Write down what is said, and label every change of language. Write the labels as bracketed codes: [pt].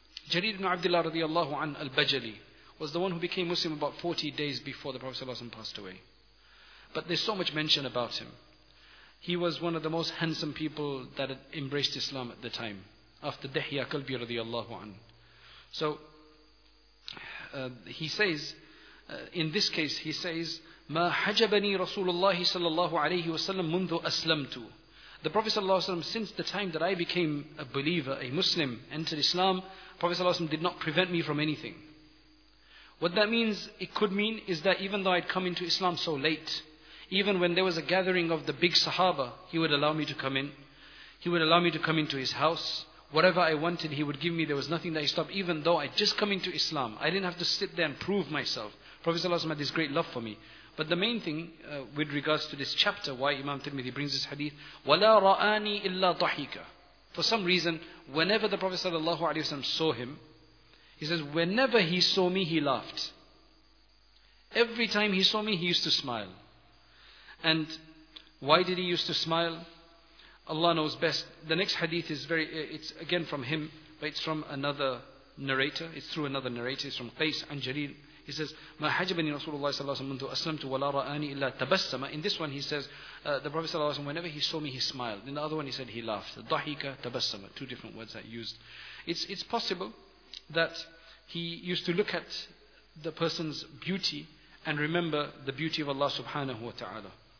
[en] Jarir ibn Abdullah radiallahu an al-Bajali was the one who became Muslim about 40 days before the Prophet ﷺ passed away. But there's so much mention about him. He was one of the most handsome people that had embraced Islam at the time, after Dihya Kalbi radiallahu an. So, he says, in this case, he says, [ar] مَا حَجَبَنِي رَسُولُ اللَّهِ صَلَى اللَّهُ عَلَيْهِ وَسَلَّمُ مُنْذُ أَسْلَمْتُ. [en] The Prophet ﷺ, since the time that I became a believer, a Muslim, entered Islam, Prophet ﷺ did not prevent me from anything. What that means, it could mean, is that even though I'd come into Islam so late, even when there was a gathering of the big Sahaba, he would allow me to come in. He would allow me to come into his house. Whatever I wanted, he would give me. There was nothing that he stopped. Even though I'd just come into Islam, I didn't have to sit there and prove myself. Prophet ﷺ had this great love for me. But the main thing with regards to this chapter, why Imam Tirmidhi brings this hadith, [ar] وَلَا رَآنِي إِلَّا ضَحِيكَ. [en] For some reason, whenever the Prophet ﷺ saw him, he says, whenever he saw me, he laughed. Every time he saw me, he used to smile. And why did he used to smile? Allah knows best. The next hadith is very, it's again from him, but it's from another narrator. It's through another narrator. It's from Qais an Jarir. He says, [ar] مَا حَجَبَنِي رَسُولُ اللَّهِ صَلَّى اللَّهُ عَلَيْهِ وَسَلَّمُ أَسْلَمْتُ وَلَا رَآنِي إِلَّا تَبَسَّمَ. [en] In this one he says, the Prophet صلى الله عليه وسلم, whenever he saw me, he smiled. In the other one he said, he laughed. [ar] ضَحِكَ تَبَسَّمَ. [en] Two different words that he used. It's possible that he used to look at the person's beauty and remember the beauty of Allah subhanahu wa ta'ala.